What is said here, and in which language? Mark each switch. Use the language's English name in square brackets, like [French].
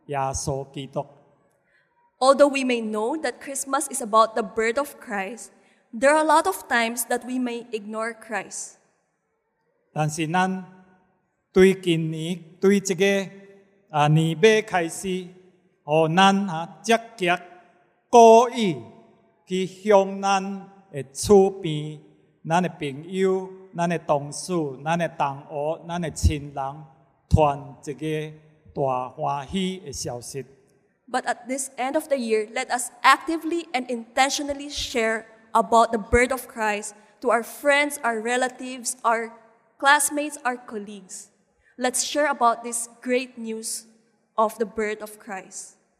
[Min Nan Chinese] 虽然咱拢知影，耶稣基督，这个圣诞节是关乎耶稣基督的降生，也关乎世人，但是真侪人常常忽略耶稣基督。 [English] Although we may know that Christmas is about the birth of Christ, there are a lot of times that we may ignore Christ. [Min Nan Chinese] 但是咱对今年对这个年尾开始，让咱积极故意去向咱的厝边、咱的朋友、咱的同事、咱的同学、咱的亲人传这个大欢喜的消息。 [English] But at this end of the year, let us actively and intentionally share about the birth of Christ to our friends, our relatives, our classmates, our colleagues. Let's share about this great news of the birth of Christ.